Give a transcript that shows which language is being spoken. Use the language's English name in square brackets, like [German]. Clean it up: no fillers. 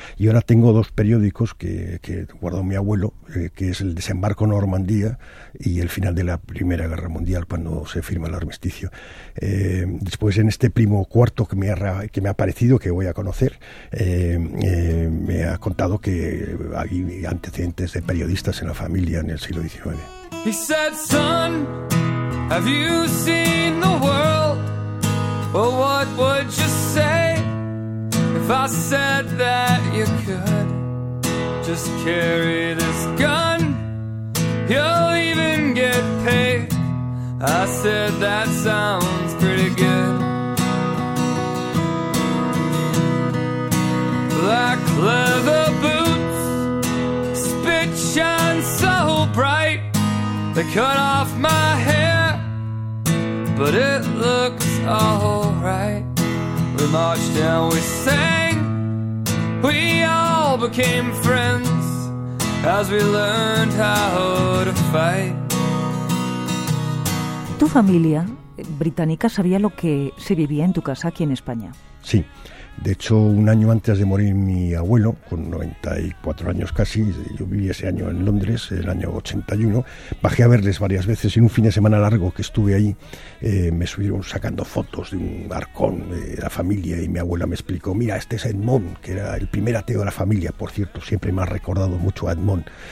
[Spanish] Y ahora tengo 2 periódicos que guardó mi abuelo, que es el Desembarco Normandía y el final de la Primera Guerra Mundial, cuando se firma el armisticio. Después, en este primo cuarto que me ha aparecido, que voy a conocer, me ha contado que hay antecedentes de periodistas en la familia en el siglo XIX. [English] He said, son, have you seen the world? Well, what would you say if I said that you could just carry this gun? You'll even get paid. I said that sounds pretty good. Black leather boots, spit shine so bright. They cut off my hair, but it looks alright. We marched and we sang. We all became friends as we learned how to fight. [Spanish] ¿Tu familia británica sabía lo que se vivía en tu casa aquí en España? Sí. De hecho, un año antes de morir mi abuelo, con 94 años casi, yo viví ese año en Londres, el año 81, bajé a verles varias veces y en un fin de semana largo que estuve ahí, me subieron sacando fotos de un arcón de la familia y mi abuela me explicó, mira, este es Edmond, que era el primer ateo de la familia, por cierto, siempre me ha recordado mucho a Edmond.